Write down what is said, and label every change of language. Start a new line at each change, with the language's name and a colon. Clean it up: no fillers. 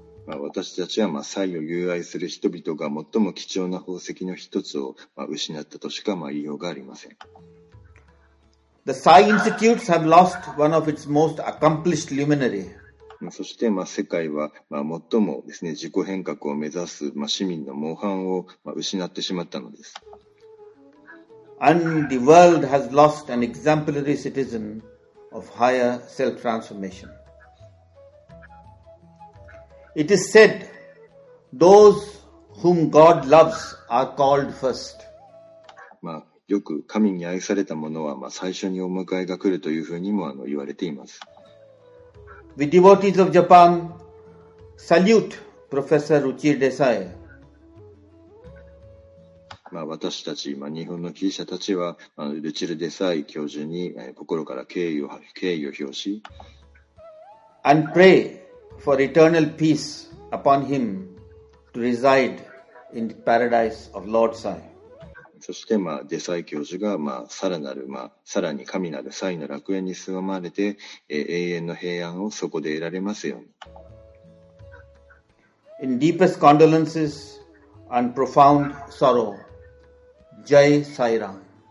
Japanese: まあ、私たちは、まあ、Saiを友愛する人々が最も貴重な宝石の一つを、まあ、失ったとしか、まあ、言いようがありません。
English: The Sai Institutes have lost one of its most accomplished luminary.
Japanese: そして、まあ、世界は、まあ、最もですね、自己変革を目指す、まあ、市民の模範を、まあ、失ってしまったのです。
English: And the world has lost an exemplary citizen of higher self-transformation. It is said, those whom God loves are called first.
Japanese: まあよく神に愛された者は、まあ、最初にお迎えが来るというふうにも言われています。
English: We devotees of Japan salute Professor Ruchir Desai.
Japanese: まあ私たち、まあ、日本の記者たちは、まあ、ルチル・デサイ教授に、心から敬意を表し、
English: And pray for eternal peace upon him to reside in the paradise of Lord Sai.
Japanese: そして、まあ、デサイ教授が、まあ、さらなる、まあ、さらに神なるサイの楽園に住まれて、永遠の平安をそこで得られますように。
English: In deepest condolences and profound sorrow, Jai Sai Ram。